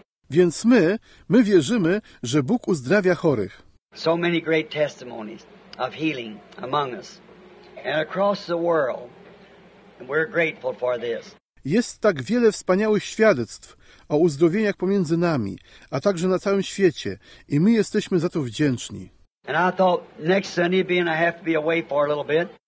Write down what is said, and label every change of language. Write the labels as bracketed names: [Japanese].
[Polish] Więc my wierzymy, że Bóg uzdrawia chorych. [English] So many great testimonies of healing among us and across the world, and we're grateful for this. [Polish] Jest tak wiele wspaniałych świadectw o uzdrowieniach pomiędzy nami, a także na całym świecie, i my jesteśmy za to wdzięczni. [English] And I thought next Sunday being I have to be away for a little bit.